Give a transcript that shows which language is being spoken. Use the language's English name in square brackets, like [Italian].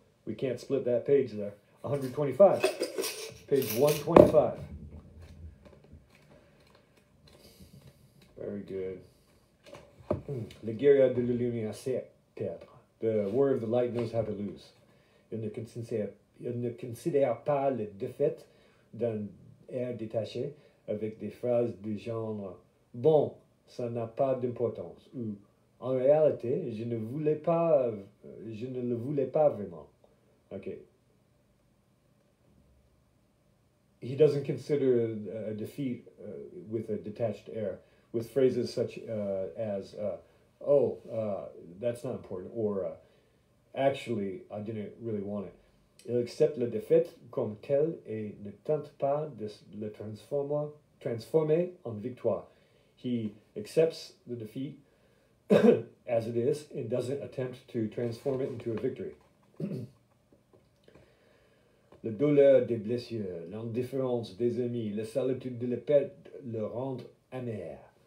[English] We can't split that page there. 125. Page 125. Very good. [French] La guerre de la lumière sait perdre. [English] The war of the light knows how to lose. [French] Il ne considère pas la défaite d'un air détaché avec des phrases du genre « Bon, ça n'a pas d'importance » ou « En réalité, je ne le voulais pas vraiment. » Ok. [English] He doesn't consider a defeat with a detached air, with phrases such as oh, that's not important, or actually, I didn't really want it. [French] Il accepte la défaite comme telle et ne tente pas de le transformer en victoire. [English] He accepts the defeat as it is and doesn't attempt to transform it into a victory. [French] La douleur des blessures, l'indifférence des amis, la solitude de la perte le rendent amer.